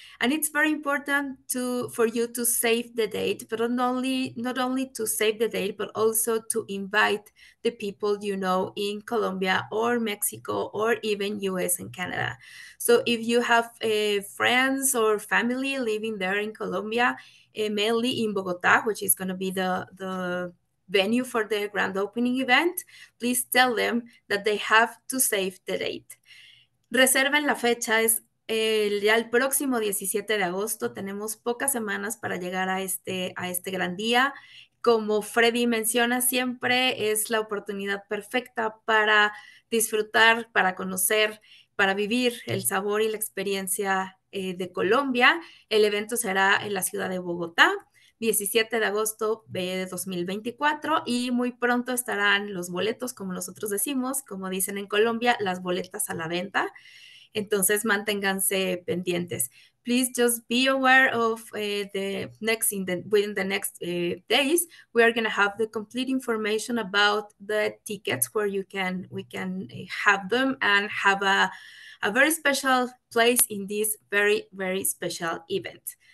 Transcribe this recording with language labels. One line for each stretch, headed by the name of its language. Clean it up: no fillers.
English: And it's very important for you to save the date, but not only to save the date, but also to invite the people you know in Colombia or Mexico or even US and Canada. So if you have friends or family living there in Colombia, mainly in Bogota, which is going to be the venue for the grand opening event, please tell them that they have to save the date.
Spanish: Reserven la fecha, es el próximo 17 de agosto. Tenemos pocas semanas para llegar a este gran día. Como Freddy menciona siempre, es la oportunidad perfecta para disfrutar, para conocer, para vivir el sabor y la experiencia de Colombia. El evento será en la ciudad de Bogotá, 17 de agosto de 2024, y muy pronto estarán los boletos, como nosotros decimos, como dicen en Colombia, las boletas a la venta. Entonces, manténganse pendientes.
English: Please just be aware of within the next days, we are going to have the complete information about the tickets where we can have them and have a very special place in this very, very special event.